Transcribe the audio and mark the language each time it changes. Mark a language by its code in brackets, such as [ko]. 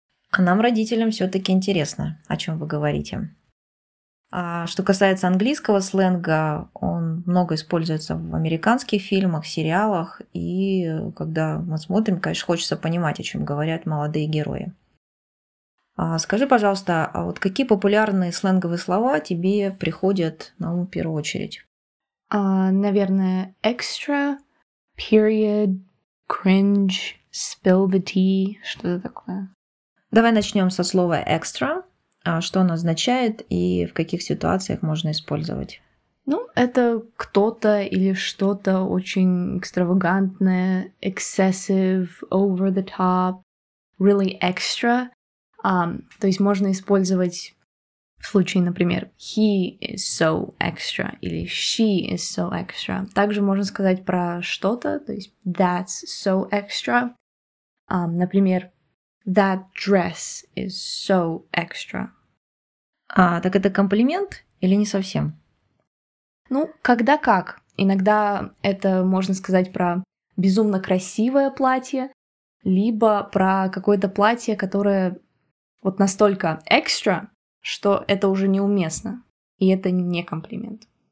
[ru] А нам, родителям, все-таки интересно, о чем вы говорите. А что касается английского сленга, он много используется в американских фильмах, сериалах, и когда мы смотрим, конечно, хочется понимать, о чем говорят молодые герои. А скажи, пожалуйста, а вот какие популярные сленговые слова тебе приходят на ум в первую очередь? Наверное, [en] extra, period, cringe, spill the tea, [ru] что-то такое. Давай начнем со слова extra. Что оно означает и в каких ситуациях можно использовать? Ну, это кто-то или что-то очень экстравагантное, [en] excessive, over the top, really extra. [ru] То есть можно использовать в случае, например, [en] he is so extra [ru] или [en] she is so extra. [ru] Также можно сказать про что-то, то есть [en] that's so extra. [ru] Например, [en] that dress is so extra. [ru] А, так это комплимент или не совсем? Ну, когда как. Иногда это можно сказать про безумно красивое платье, либо про какое-то платье, которое вот настолько экстра, что это уже неуместно, и это не комплимент.